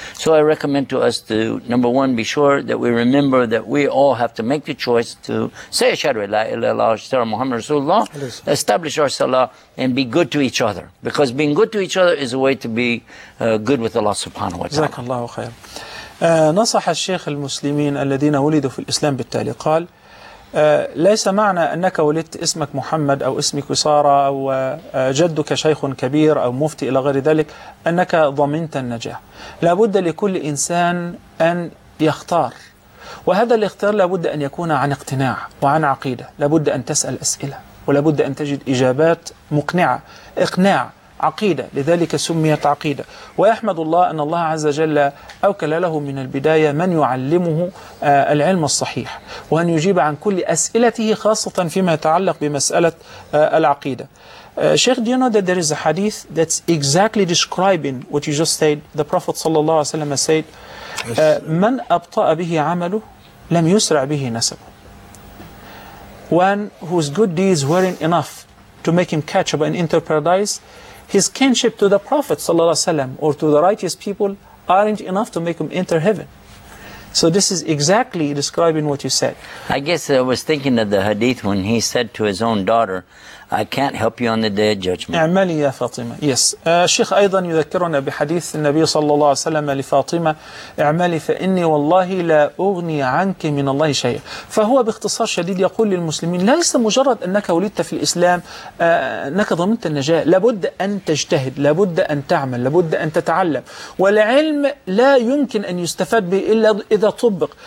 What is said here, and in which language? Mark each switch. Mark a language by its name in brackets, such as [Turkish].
[English] So I recommend to us to, number one, be sure that we remember that we all have to make the choice to say [Arabic] Ashhadu an la ilaha illallah wa Muhammad Rasulullah, [English] establish our Salah, and be good to each other. Because being good to each other is a way to be good with Allah [Arabic] subhanahu wa ta'ala. Jazakallahu khair. نصح الشيخ المسلمين الذين ولدوا في الإسلام بالتالي قال: ليس معنى أنك ولدت اسمك محمد أو اسمك سارة أو جدك شيخ كبير أو مفتي إلى غير ذلك أنك ضمنت النجاة. لابد لكل إنسان أن يختار، وهذا الاختيار لابد أن يكون عن اقتناع وعن عقيدة. لابد أن تسأل أسئلة، ولابد أن تجد إجابات مقنعة. اقناع، عقيدة، لذلك سميت عقيدة. ويحمد الله أن الله عز وجل أوكل له من البداية من يعلمه العلم الصحيح، وأن يجيب عن كل أسئلته، خاصة فيما يتعلق بمسألة العقيدة. [English] Sheikh, do you know that there is a hadith that's exactly describing what you just said? The Prophet [Arabic] صلى الله عليه وسلم [English] said, [Arabic] من أبطأ به عمله لم يسرع به نسبه. [English] One whose good deeds weren't enough to make him catch up and enter paradise, his kinship to the Prophet ﷺ or to the righteous people aren't enough to make him enter heaven. So this is exactly describing what you said. I guess I was thinking of the hadith when he said to his own daughter, I can't help you on the day of judgment. [Arabic] اعملي يا فاطمة. [English] Yes. [Arabic] الشيخ أيضا يذكرنا بحديث النبي صلى الله عليه وسلم لفاطمة: اعملي فإني والله لا أغني عنك من الله شيئا. فهو باختصار شديد يقول للمسلمين: ليس مجرد أنك ولدت في الإسلام أنك ضمنت النجاة، لابد أن تجتهد، لابد أن تعمل، لابد أن تتعلم، والعلم لا يمكن أن يستفاد به إلا إذا طبق.